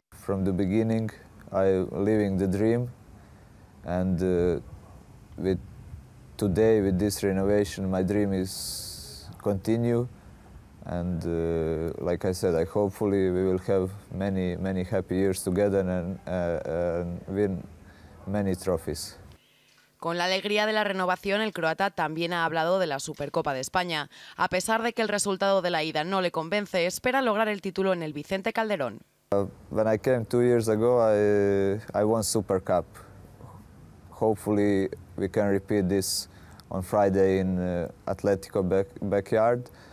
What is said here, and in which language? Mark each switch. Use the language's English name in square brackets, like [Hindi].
[English] From the beginning, I'm living the dream, and with today, with this renovation, my dream is continue. And like I said, hopefully we will have many, many happy years together and win many trophies. [Spanish] Con la alegría de la renovación, el croata también ha hablado de la Supercopa de España. A pesar de que el resultado de la ida no le convence, espera lograr el título en el Vicente Calderón. [English] When I came 2 years ago, I won Super Cup. Hopefully we can repeat this on Friday in Atletico backyard.